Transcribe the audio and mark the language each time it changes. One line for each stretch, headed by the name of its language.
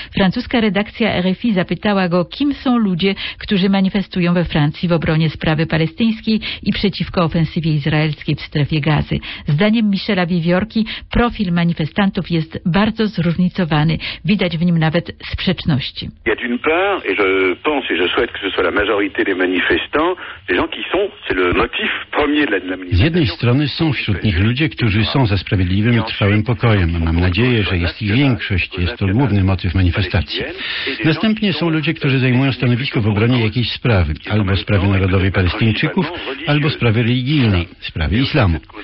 Polish: Francuska redakcja RFI zapytała go, kim są ludzie, którzy manifestują we Francji w obronie sprawy palestyńskiej i przeciwko ofensywie izraelskiej w strefie Gazy. Zdaniem Michela Wiewiórki profil manifestantów jest bardzo zróżnicowany. Widać w nim nawet sprzeczności.
French: Il y a d'une part, et je pense et je souhaite que ce soit la majorité des manifestants, des gens qui sont, c'est le motif premier de la manifestation.
Polish: Z jednej strony są wśród nich ludzie, którzy są za sprawiedliwym i trwałym pokojem. Mam nadzieję, że jest ich większość. Jest to główny motyw manifestacji. Następnie są ludzie, którzy zajmują stanowisko w obronie jakiejś sprawy. Albo sprawy narodowej Palestyńczyków, albo sprawy religijnej, sprawy islamu.